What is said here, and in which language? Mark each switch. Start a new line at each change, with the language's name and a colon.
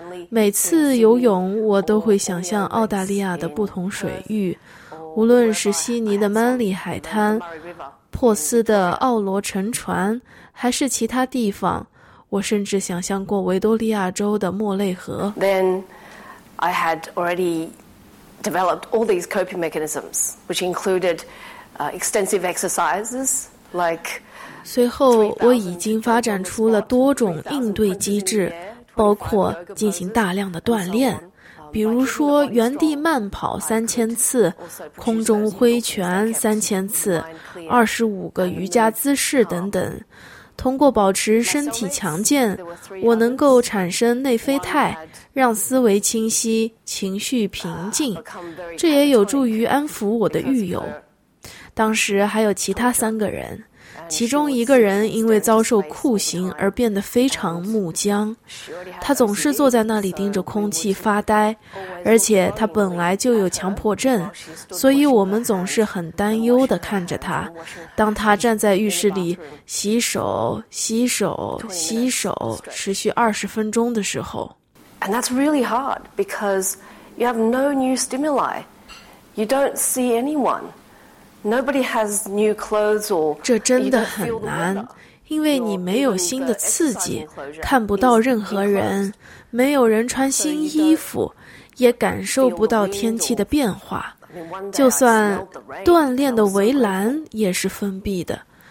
Chinese: 每次游泳，我都会想象澳大利亚的不同水域，无论是悉尼的曼利海滩、珀斯的奥罗沉船，还是其他地方。我甚至想象过维多利亚州的莫内河。
English: I had already developed all these coping mechanisms, which included extensive exercises like.
Chinese: 随后，我已经发展出了多种应对机制，包括进行大量的锻炼，比如说原地慢跑3000次，空中挥拳3000次，25个瑜伽姿势等等。通过保持身体强健，我能够产生内啡肽，让思维清晰，情绪平静，这也有助于安抚我的狱友。当时还有其他3个人，其中一个人因为遭受酷刑而变得非常木僵，他总是坐在那里盯着空气发呆，而且他本来就有强迫症，所以我们总是很担忧地看着他。当他站在浴室里洗手洗手洗手持续20分钟的时候，
English: And that's really hard because you have no new stimuli. You don't see anyone. Nobody has new clothes or.
Chinese: 这真的很难，因为你没有新的刺激，看不到任何人，没有人穿新衣服，也感受不到天气的变化。就算锻炼的围栏也是封闭的，